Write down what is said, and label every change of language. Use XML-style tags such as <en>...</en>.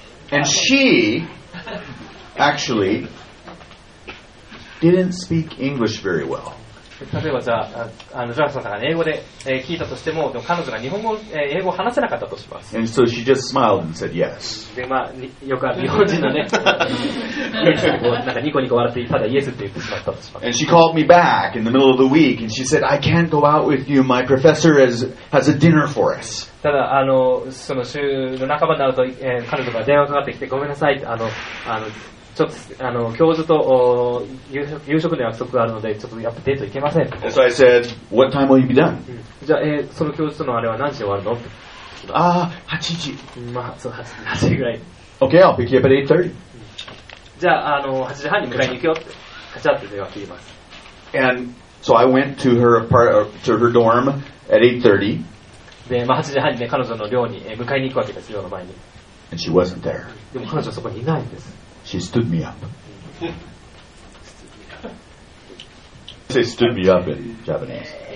<en>And she actually didn't speak English very well.</en> <ja>例えばじゃあ、ジョナサンさんが英語で聞いたとしても、でも彼女が日本語、英語を話せなかったとします。</ja> <en>And so she just smiled and said yes.</en> <ja>で、まあ、よくある日本人のね、なんかニコニコ笑って、ただイエスって言ってしまったとします。</ja> <en>And she called me back in the middle of the week and she said, I can't go out with you. My professor has a dinner for us.</en> <ja>ただ、その週の半ばになると、彼女が電話かかってきて、ごめんなさいって、ちょっと教授と夕食の約束があるのでちょっとやっぱデート行けません。</ja> <en>And so I said, what time will you be done?</en> <ja>じゃあ、その教授とのあれは何時終わるの？ああ、8時。まあ、そう、8時ぐらい。</ja> <en>Okay, I'll pick you up at 8:30.</en> <ja>じゃあ、8時半に迎えに行くよって。カチャって電話切ります。</ja> <en>And so I went to her dorm at 8:30.</en> <ja>で、まあ、8時半に、ね、彼女の寮に迎えに行くわけです。寮の前に。</ja> <en>And she wasn't there.</en> <ja>でも彼女はそこにいないんです。</ja> <en>She stood me up. She stood me up in Japanese.</en>